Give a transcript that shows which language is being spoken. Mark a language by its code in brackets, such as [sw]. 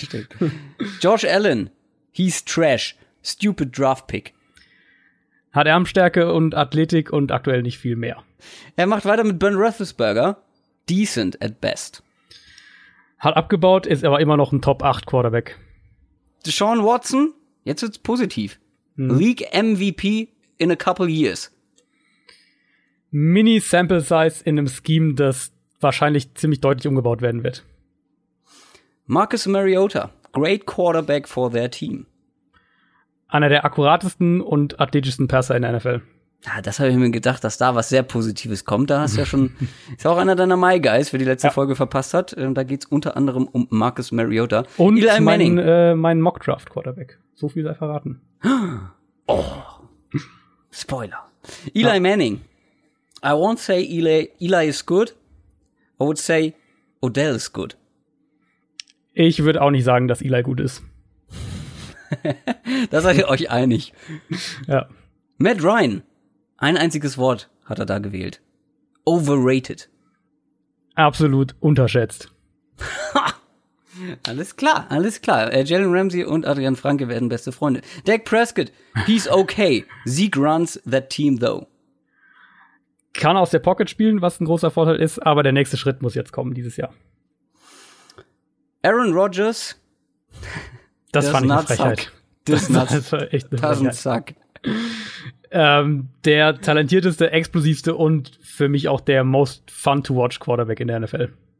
[de] Stimmt. [en] Josh Allen, he's trash. Stupid draft pick. [de] Hat Armstärke und Athletik und aktuell nicht viel mehr. Er macht weiter mit Ben Roethlisberger. [en] Decent at best. [de] Hat abgebaut, ist aber immer noch ein Top-8-Quarterback. Deshaun Watson, jetzt wird's positiv. Hm. [en] League MVP in a couple years. [de] Mini-Sample-Size in einem Scheme, das wahrscheinlich ziemlich deutlich umgebaut werden wird. [en] Marcus Mariota, great quarterback for their team. [de] Einer der akkuratesten und athletischsten Passer in der NFL. Ja, das habe ich mir gedacht, dass da was sehr Positives kommt. Da hast du ja schon, ist auch einer deiner My Guys, wer die letzte Folge verpasst hat. Da geht's unter anderem um Marcus Mariota. Und Eli Manning. Mein Mock-Draft-Quarterback. So viel sei verraten. Oh, Spoiler. Eli Manning. [en] I won't say Eli is good. I would say Odell is good. [de] Ich würde auch nicht sagen, dass Eli gut ist. Da seid ihr euch einig. Ja. Matt Ryan. Ein einziges Wort hat er da gewählt. [en] Overrated. [de] Absolut unterschätzt. Alles klar. Jalen Ramsey und Adrian Franke werden beste Freunde. [en] Dak Prescott, he's okay. Zeke runs that team though. [de] Kann aus der Pocket spielen, was ein großer Vorteil ist, aber der nächste Schritt muss jetzt kommen dieses Jahr. Aaron Rodgers. Das fand ich eine Frechheit. Das war echt eine Frechheit. Der talentierteste, explosivste und für mich auch der [en] most fun to watch [de] Quarterback in der NFL.